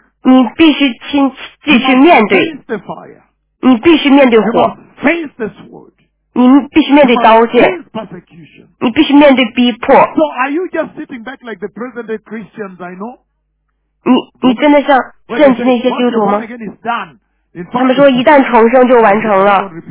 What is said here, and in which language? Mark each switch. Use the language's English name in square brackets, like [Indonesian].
[Chinese] 你必须继续面对，你必须面对火， [English] you must face this word. [Chinese] 你必须面对刀剑， [English] you must face persecution. [Chinese] 你必须面对逼迫。 [English] So are you just sitting back like the present day Christians I know? [Chinese] 你真的像现今那些基督徒吗？他们说一旦重生就完成了。